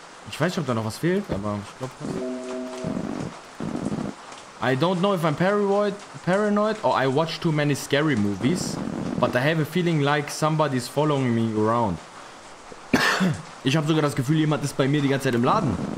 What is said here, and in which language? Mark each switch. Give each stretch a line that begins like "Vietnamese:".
German: Ich weiß nicht, ob da noch was fehlt, aber ich glaube was.
English: I don't know if I'm paranoid or I watch too many scary movies, but I have a feeling like somebody's following me around.
German: Ich habe sogar das Gefühl, jemand ist bei mir die ganze Zeit im Laden.